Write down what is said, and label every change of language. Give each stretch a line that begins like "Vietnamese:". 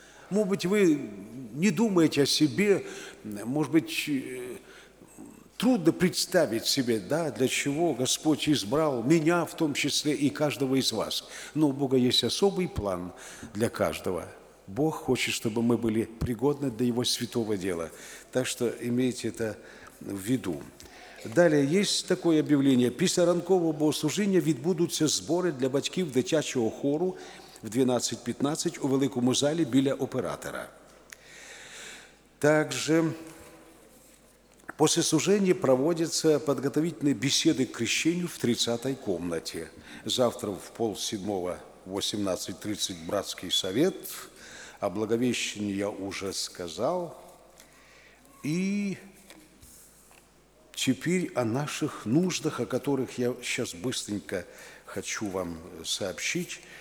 Russian: Может быть, вы не думаете о себе, может быть, трудно представить себе, да, для чего Господь избрал меня, в том числе, и каждого из вас. Но у Бога есть особый план для каждого. Бог хочет, чтобы мы были пригодны для Его святого дела. Так что имейте это в виду. Далее, есть такое объявление.
Ukrainian: Після ранкового богослужіння відбудуться збори для батьків дитячого хору в 12:15 у великому залі біля оператора.
Russian: Также, после служения проводятся подготовительные беседы к крещению в 30-й комнате. Завтра в 6:30, 18:30 братский совет. О Благовещении я уже сказал. И теперь о наших нуждах, о которых я сейчас быстренько хочу вам сообщить.